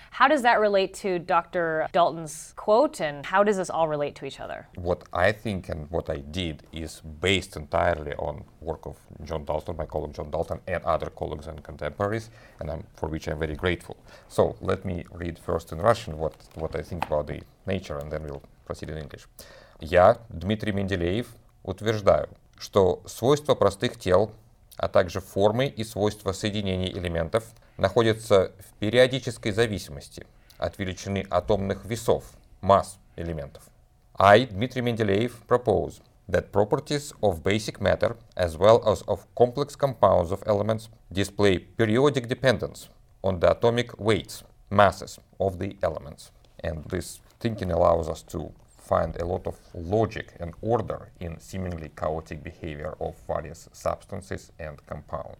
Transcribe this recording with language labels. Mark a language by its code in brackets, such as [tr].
[en] How does that relate to Dr. Dalton's quote, and how does this all relate to each other? What I think and what I did is based entirely on work of John Dalton, my colleague John Dalton, and other colleagues and contemporaries, and for which I'm very grateful. So let me read first in Russian what I think about the nature, and then we'll proceed in English. [ru] Я, Дмитрий Менделеев, утверждаю, что свойства простых тел, а также формы и свойства соединений элементов находятся в периодической зависимости от величины атомных весов, масс элементов. [en] I, Дмитрий Менделеев, propose that properties of basic matter as well as of complex compounds of elements display periodic dependence on the atomic weights, masses of the elements. And this thinking allows us to find a lot of logic and order in seemingly chaotic behavior of various substances and compounds.